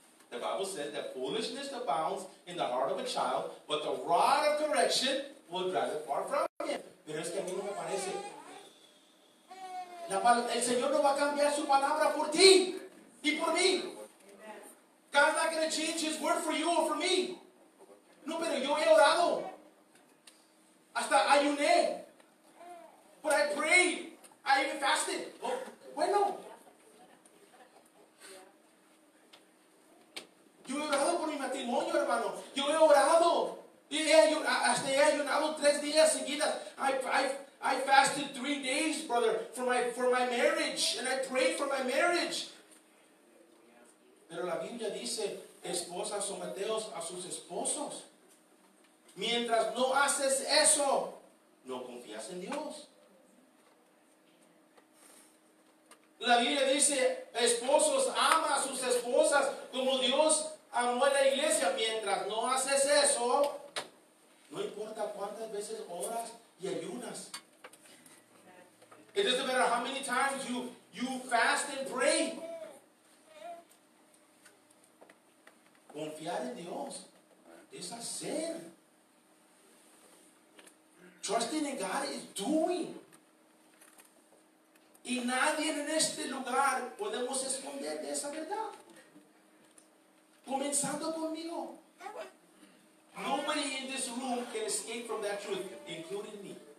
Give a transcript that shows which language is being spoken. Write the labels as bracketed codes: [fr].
[en] The Bible says that foolishness abounds in the heart of a child, but the rod of correction will drive it far from him. [es] Pero es que a mí no me parece. El Señor no va a cambiar su palabra por ti y por mí. [en] God's not going to change his word for you or for me. [es] No, pero yo he orado. Hasta ayuné. [en] But I prayed. I even fasted. [es] Oh, bueno. Yo he orado por mi matrimonio, hermano. Yo he orado. Hasta he ayunado 3 días seguidas. [en] I fasted 3 days, brother, for my marriage. And I prayed for my marriage. [es] Pero la Biblia dice, esposas, someteos a sus esposos. Mientras no haces eso, no confías en Dios. La Biblia dice, esposos, ama a sus esposas como Dios amó a la iglesia. Mientras no haces eso, no importa cuántas veces oras y ayunas. [en] It doesn't matter how many times you fast and pray. [es] Confiar en Dios es hacer. [en] Trusting in God is doing. [es] Y nadie en este lugar podemos esconder de esa verdad. Comenzando conmigo. [en] Nobody in this room can escape from that truth, including me.